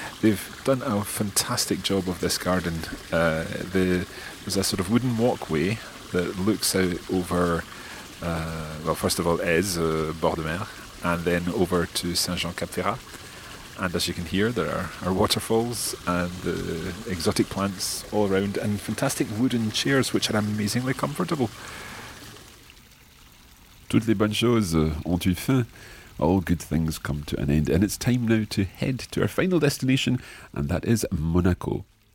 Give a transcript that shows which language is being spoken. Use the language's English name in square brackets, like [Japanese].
[English] They've done a fantastic job of this garden. There's a sort of wooden walkway that looks out over, well, first of all, Aize, bord de mer, and then over to Saint-Jean-Cap-Ferrat. And as you can hear, there are waterfalls and exotic plants all around, and fantastic wooden chairs, which are amazingly comfortable. [French] Toutes les bonnes choses ont une fin. [English] All good things come to an end, and it's time now to head to our final destination, and that is Monaco.